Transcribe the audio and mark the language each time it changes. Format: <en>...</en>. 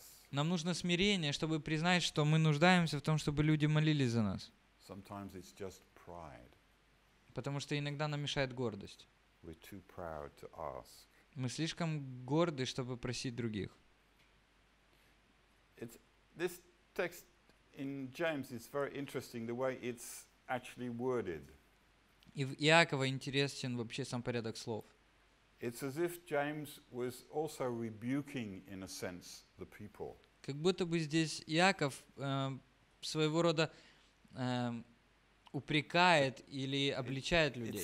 <ru>Нам нужно смирение, чтобы признать, что мы нуждаемся в том, чтобы люди молились за нас.</ru> <en>Sometimes it's just pride.</en> <ru>Потому что иногда нам мешает гордость.</ru> <en>We're too proud to ask.</en> <ru>Мы слишком горды, чтобы просить других.</ru> <en>This text in James is very interesting the way it's actually worded.</en> <ru>И в Иакове интересен вообще сам порядок слов.</ru> <en>It's as if James was also rebuking, in a sense, the people.</en> <ru>Как будто бы здесь Иаков своего рода упрекает или обличает людей.</ru>